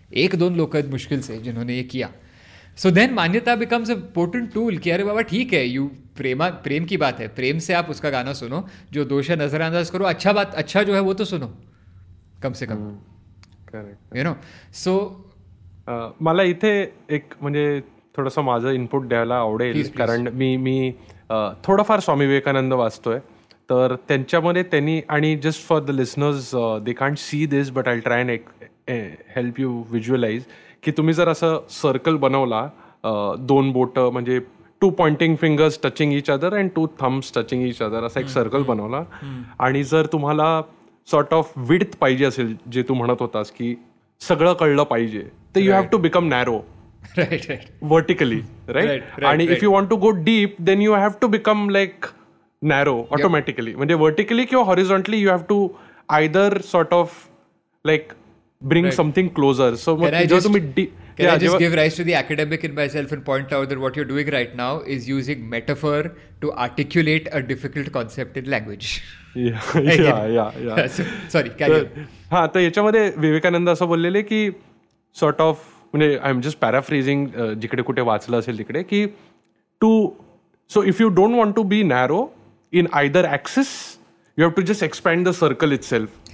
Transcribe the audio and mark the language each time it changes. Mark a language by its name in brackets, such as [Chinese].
[Hindi] एक दोन लोक आहेत मुश्किल से जिन्होंने ये किया. [English] so then [Hindi] मान्यता [English] becomes a important tool [Hindi] की अरे बाबा ठीक है, यू प्रेम की बात है, प्रेम से आप उसका गाना सुनो, जो दोष है नजरअंदाज करो, अच्छा बात अच्छा जो है वो तो सुनो कम से कम. [English] Correct, you know. So [Marathi] मला इथे एक म्हणजे थोडस माझं इनपुट द्यायला आवडेल, कारण मी थोडंफार स्वामी विवेकानंद वाचतोय, तर त्यांच्यामध्ये त्यांनी, आणि [English] just for the listeners they can't see this but I try एक help you visualize, [Marathi] की तुम्ही जर असं सर्कल बनवला, दोन बोट म्हणजे [English] two pointing fingers touching each other [Marathi] and to Thums touching each other, असा एक सर्कल बनवला, आणि जर तुम्हाला [English] sort of width [Marathi] पाहिजे असेल, जे तू म्हणत होतास की सगळं कळलं पाहिजे, तर [English] You have to become narrow, vertically, and if you want to go deep, then you have to become like narrow automatically. When you're vertically or horizontally, you have to either sort of like bring something closer. So can I just give rise to the academic in myself and point out that what you're doing right now is using metaphor to articulate a difficult concept in language. [Marathi] याच्यामध्ये विवेकानंद असं बोललेले की [English] sort of म्हणजे I am just paraphrasing [Marathi] जिकडे कुठे वाचलं असेल तिकडे की [English] to so if you don't want to be narrow in either axis you have to just expand the circle itself